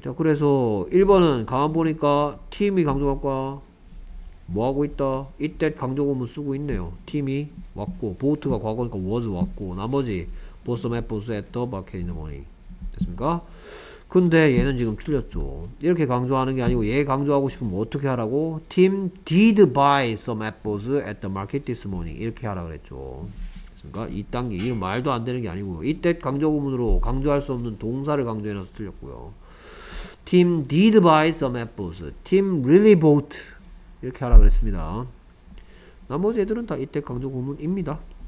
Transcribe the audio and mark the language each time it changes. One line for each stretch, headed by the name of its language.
Korean: 자, 그래서 1번은 가만 보니까 팀이 강조할까? 뭐 하고 있다? It that 강조구문 쓰고 있네요. 팀이 왔고, 보트가 과거니까 was 왔고, 나머지
English: bought some apples at the market in the morning.
Korean: 됐습니까? 근데 얘는 지금 틀렸죠. 이렇게 강조하는 게 아니고 얘 강조하고 싶으면 어떻게 하라고?
English: Team did buy some apples at the market this morning.
Korean: 이렇게 하라 그랬죠. 됐습니까? 2단계. 이런 말도 안 되는 게 아니고요. It that 강조구문으로 강조할 수 없는 동사를 강조해놔서 틀렸고요.
English: Team did buy some apples. Team really bought.
Korean: 이렇게 하라 그랬습니다. 나머지 애들은 다 이때 강조 구문입니다.